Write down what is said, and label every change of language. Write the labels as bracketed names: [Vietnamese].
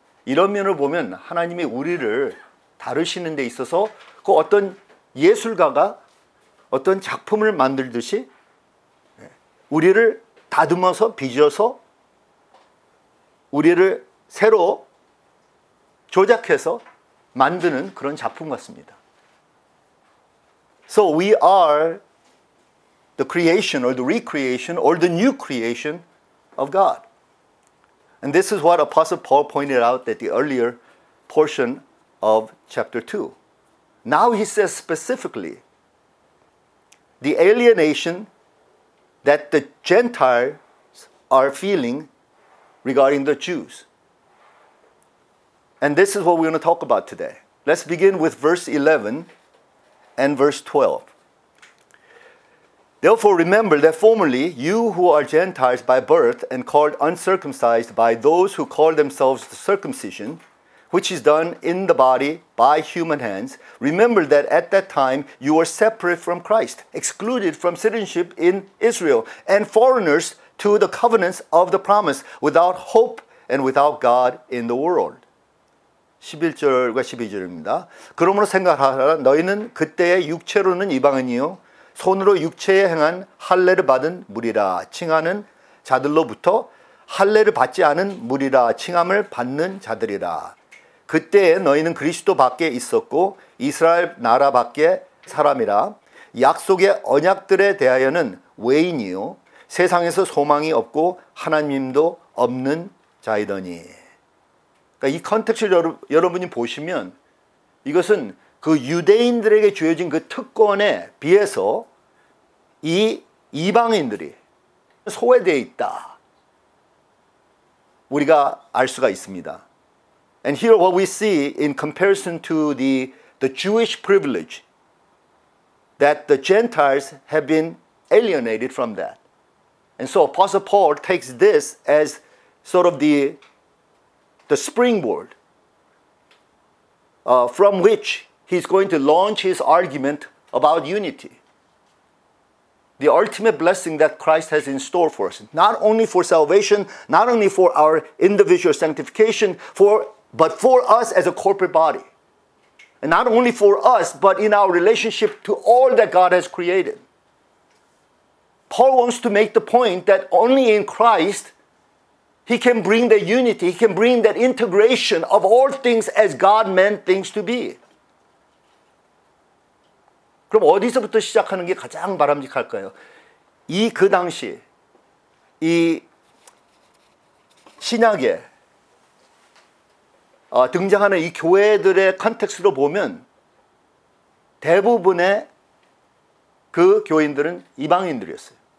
[Korean] 이런 면을 보면 하나님이 우리를 다루시는 데 있어서 그 어떤 예술가가 어떤 작품을 만들듯이 우리를 다듬어서 빚어서 우리를 새로 조작해서 만드는 그런 작품 같습니다. [English] So we are the creation or the recreation or the new creation of God. And this is what Apostle Paul pointed out at the earlier portion of chapter 2. Now he says specifically, the alienation that the Gentiles are feeling regarding the Jews. And this is what we're going to talk about today. Let's begin with verse 11. And verse 12. Therefore, remember that formerly you who are Gentiles by birth and called uncircumcised by those who call themselves the circumcision, which is done in the body by human hands, remember that at that time you were separate from Christ, excluded from citizenship in Israel, and foreigners to the covenants of the promise, without hope and without God in the world. [Korean] 11절과 12절입니다. 그러므로 생각하라, 너희는 그때의 육체로는 이방인이요 손으로 육체에 행한 할례를 받은 무리라. 칭하는 자들로부터 할례를 받지 않은 무리라. 칭함을 받는 자들이라. 그때에 너희는 그리스도 밖에 있었고 이스라엘 나라 밖에 사람이라. 약속의 언약들에 대하여는 외인이요 세상에서 소망이 없고 하나님도 없는 자이더니. 그러니까 이 컨텍스트를 여러분이 보시면 이것은 그 유대인들에게 주어진 그 특권에 비해서 이 이방인들이 소외되어 있다. 우리가 알 수가 있습니다. [English] And here what we see in comparison to the Jewish privilege that the Gentiles have been alienated from that. And so Apostle Paul takes this as sort of the springboard from which he's going to launch his argument about unity. The ultimate blessing that Christ has in store for us, not only for salvation, not only for our individual sanctification, but for us as a corporate body. And not only for us, but in our relationship to all that God has created. Paul wants to make the point that only in Christ, he can bring the unity, he can bring that integration of all things as God meant things to be. [Korean] 그럼 어디서부터 시작하는 게 가장 바람직할까요? 이 그 당시 이 신약에 등장하는 이 교회들의 컨텍스트로 보면 대부분의 그 교인들은 이방인들이었어요.